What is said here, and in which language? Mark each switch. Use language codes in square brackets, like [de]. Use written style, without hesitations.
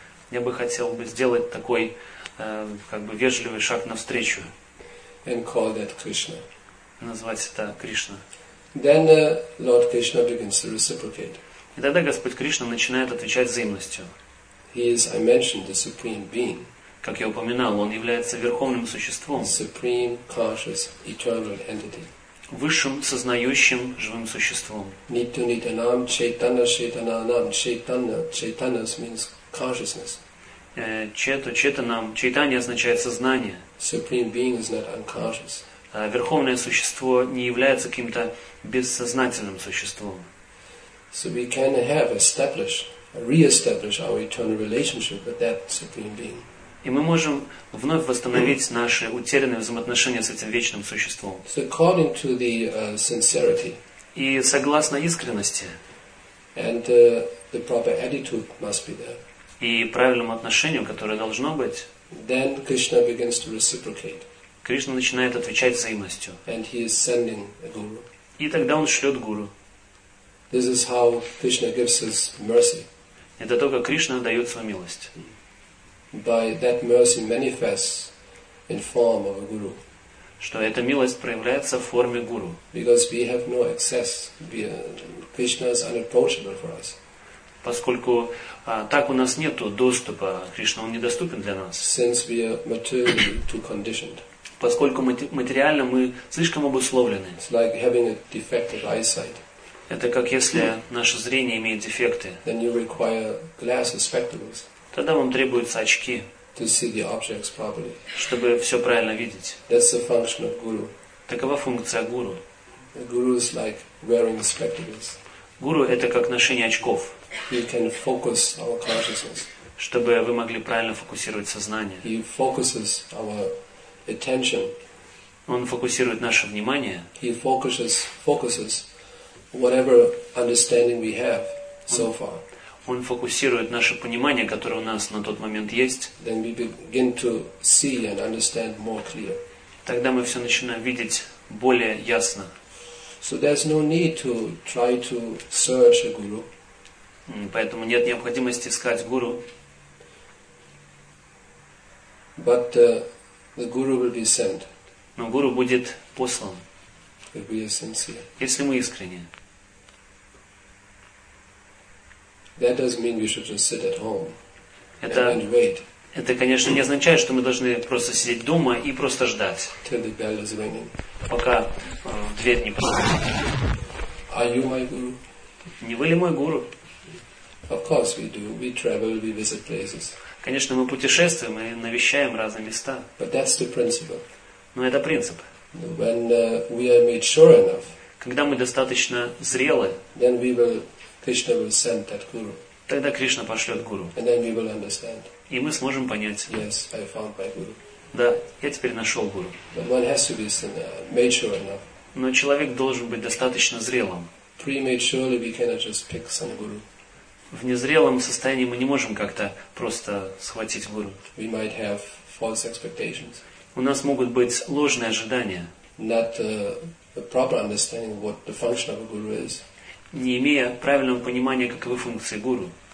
[ru] Я бы хотел бы сделать такой как бы вежливый шаг навстречу. [en] And call that Krishna. [ru] Назвать это Кришна. [en] Then Lord Krishna begins to reciprocate. [ru] И тогда Господь Кришна начинает отвечать взаимностью. [en] He is, I mentioned, the supreme being. [ru] Как я упоминал, он является верховным существом, [en] supreme, conscious, eternal entity. [ru] Высшим сознающим живым существом. [sa] Nityanam Chaitanya Chaitananam Chaitanya Chaitanya [en] means consciousness. [ru] Чето Чаитанам Чаитанья означает сознание. [en] Supreme being is not unconscious. [ru] Верховное существо не является каким-то бессознательным существом. [en] So we can have re-establish our eternal relationship with that supreme being. [ru] И мы можем вновь восстановить наши утерянные взаимоотношения с этим вечным существом. [en] So according to the sincerity. [ru] И согласно искренности. [en] And the proper attitude must be there. [ru] И правильному отношению, которое должно быть. [en] Then Krishna begins to reciprocate. [ru] Кришна начинает отвечать взаимностью. [en] And he is sending a guru. [ru] И тогда он шлет гуру. [en] This is how Krishna gives his mercy. [ru] Это то, как Кришна дает свою милость. [en] By that mercy manifests in form of a guru. [ru] Что эта милость проявляется в форме гуру. [en] Because we have no access. Krishna is unapproachable for us. [ru] Поскольку так у нас нету доступа, Кришна, он недоступен для нас. [en] Since we are materially too conditioned. [ru] Поскольку материально мы слишком обусловлены. [en] It's like having a defective eyesight. [ru] Это как если наше зрение имеет дефекты. [en] Then you require glasses, spectacles. [ru] Тогда вам требуются очки, [en] to see the objects properly. [ru] Чтобы все правильно видеть. [en] That's the function of guru. [ru] Такова функция гуру. [en] A guru is like wearing spectacles. [ru] Гуру – это как ношение очков. [en] He can focus our consciousness. [ru] Чтобы вы могли правильно фокусировать сознание. [en] He focuses our attention. [ru] Он фокусирует наше внимание. [en] He focuses whatever understanding we have so far. [ru] Он фокусирует наше понимание, которое у нас на тот момент есть. [en] Then we begin to see and understand more clear. [ru] Тогда мы все начинаем видеть более ясно. [en] So there's no need to try to search a guru. [ru] Поэтому нет необходимости искать гуру. [en] But the guru will be sent. [ru] Но гуру будет послан. [en] If we are sincere. [ru] Если мы искренние. [en] That doesn't mean we should just sit at home and wait. [ru] Это, конечно, не означает, что мы должны просто сидеть дома и просто ждать. [en] Till the bell is ringing. [ru] Пока в дверь не позвонит. [en] Are you my guru? [ru] Не вы ли мой гуру? [en] Of course we do. We travel, we visit places. [ru] Конечно, мы путешествуем и навещаем разные места. [en] But that's the principle. [ru] Но это принцип. [en] When we are mature enough, [ru] когда мы достаточно зрелы, [en] then we will, Krishna will send that guru. [ru] Тогда Кришна пошлет гуру. [en] And then we will understand. [ru] И мы сможем понять. [en] Yes, I found my guru. [ru] Да, я теперь нашел гуру. [en] But one has to be mature enough. [ru] Но человек должен быть достаточно зрелым. [en] Prematurely we cannot just pick some guru. [ru] В незрелом состоянии мы не можем как-то просто схватить гуру. [en] We might have false expectations. [ru] У нас могут быть ложные ожидания. [en] Not a proper understanding of what the function of a guru is. [ru] Не имея правильного понимания, каковы функции гуру.